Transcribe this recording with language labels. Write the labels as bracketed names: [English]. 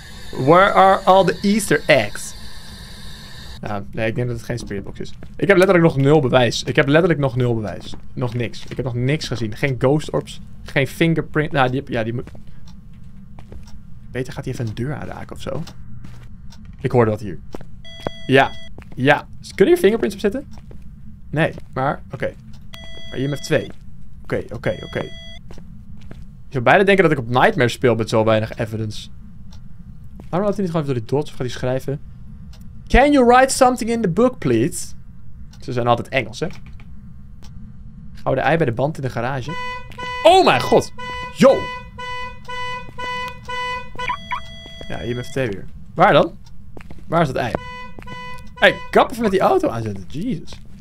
[English] Where are all the Easter eggs? [Dutch] Nee, ik denk dat het geen spiritbox is. Ik heb letterlijk nog 0 bewijs. Ik heb letterlijk nog 0 bewijs. Nog niks. Ik heb nog niks gezien. Geen ghost orbs. Geen fingerprint. Nou, die moet... Beter gaat hij even een deur aanraken of zo. Ik hoorde dat hier. Ja. Ja. Kunnen hier fingerprints op zitten? Nee. Maar, oké. Maar hier met 2. Oké. Ik zou bijna denken dat ik op Nightmare speel met zo weinig evidence. Waarom laat hij niet gewoon even door die dots? Of gaat hij schrijven? [English] Can you write something in the book, please? [Dutch] Ze zijn altijd Engels, hè? Gouden ei bij de band in de garage. Oh mijn god! Yo! Ja, hier ben ik weer. Waar dan? Waar is dat ei? Hey, kap even met die auto aanzetten. Jesus.